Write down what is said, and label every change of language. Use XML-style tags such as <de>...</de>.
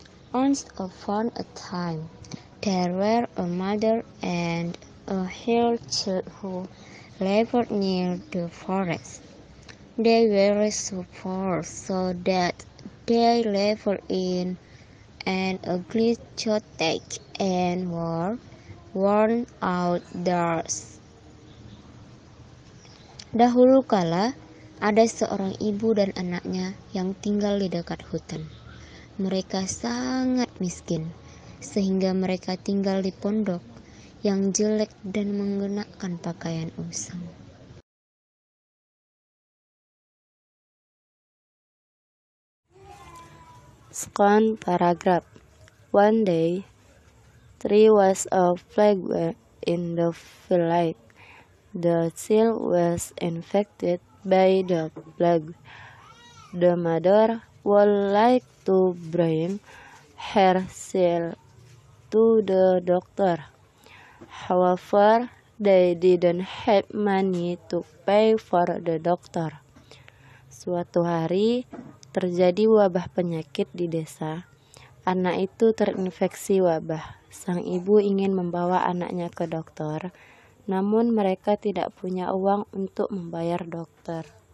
<en>Once upon a time, there were a mother and a hill child who lived near the forest. They were so poor so that they lived in and a great shortage and were worn out thus.</en> <id>Dahulu kala, ada seorang ibu dan anaknya yang tinggal di dekat hutan. Mereka sangat miskin, sehingga mereka tinggal di pondok yang jelek dan mengenakan pakaian usang.</id> <en>Second paragraph. One day, there was a plague in the village. The child was infected by the plague. The mother would like to bring her child to the doctor. However, they didn't have money to pay for the doctor.</en> <id>Suatu hari, terjadi wabah penyakit di desa. Anak itu terinfeksi wabah. Sang ibu ingin membawa anaknya ke dokter, namun mereka tidak punya uang untuk membayar dokter.</id>